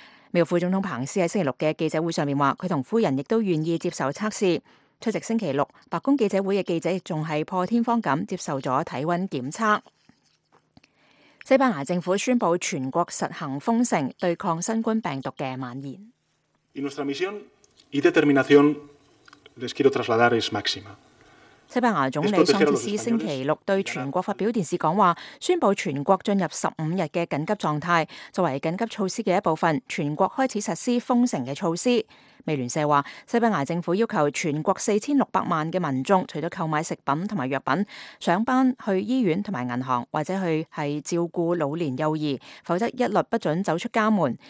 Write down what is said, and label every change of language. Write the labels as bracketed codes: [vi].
[zh] 美国副总统彭斯在星期六的记者会上说，他和夫人亦都愿意接受测试。出席星期六白宫记者会的记者仍是破天荒地接受了体温检测。西班牙政府宣布全国实行封城，对抗新冠病毒的蔓延。 [es] Y nuestra misión y determinación les quiero trasladar es máxima。 [zh] 西班牙总理桑切斯星期六对全国发表电视讲话，宣布全国进入15日的紧急状态，作为紧急措施的一部分，全国开始实施封城的措施。美联社说，西班牙政府要求全国4600万的民众，除了购买食品和药品，上班、去医院和银行，或者去照顾老年幼儿，否则一律不准走出家门。